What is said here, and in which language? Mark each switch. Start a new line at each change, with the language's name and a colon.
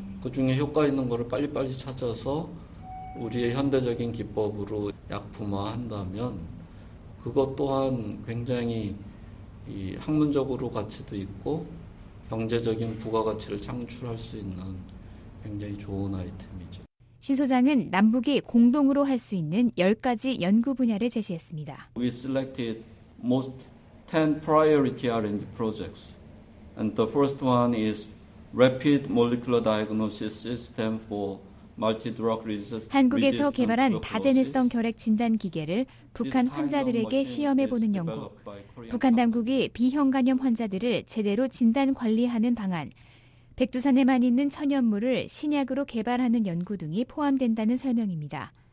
Korean: 그중에 효과 있는 거를 빨리빨리 찾아서 우리의 현대적인 기법으로 약품화한다면 그것 또한 굉장히 이 학문적으로 가치도 있고 경제적인 부가가치를 창출할 수 있는 굉장히 좋은 아이템이죠. 신 소장은 남북이 공동으로 할 수 있는 10가지 연구 분야를 제시했습니다.
English: We selected most 10 priority R&D projects. And the first one is rapid molecular diagnosis system for
Korean: 한국에서 개발한 다제네성 결핵 진단 기계를 북한 환자들에게 시험해보는 연구. 북한 당국이 B형 간염 환자들을 제대로 진단 관리하는 방안, 백두산에만 있는 천연물을 신약으로 개발하는 연구 등이 포함된다는 설명입니다.